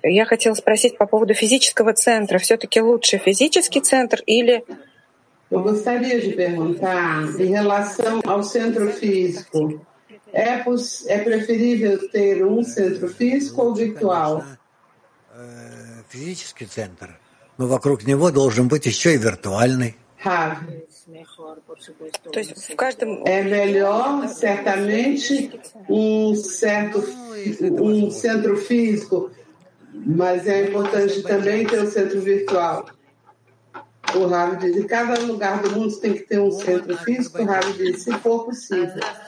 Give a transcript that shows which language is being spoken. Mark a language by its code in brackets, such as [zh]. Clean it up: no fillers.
[ru] Я хотела спросить по поводу физического центра. Все-таки лучше физический центр или... [pt] Eu gostaria de perguntar em relação ao centro físico. É preferível ter centro físico ou virtual? [ru] Физический центр, но вокруг него должен быть еще и виртуальный. То есть в каждом. [pt] É melhor, certamente, um centro físico, mas é importante também ter centro virtual. O Rav diz, em cada lugar do mundo tem que ter centro físico, o Rav diz, se for possível.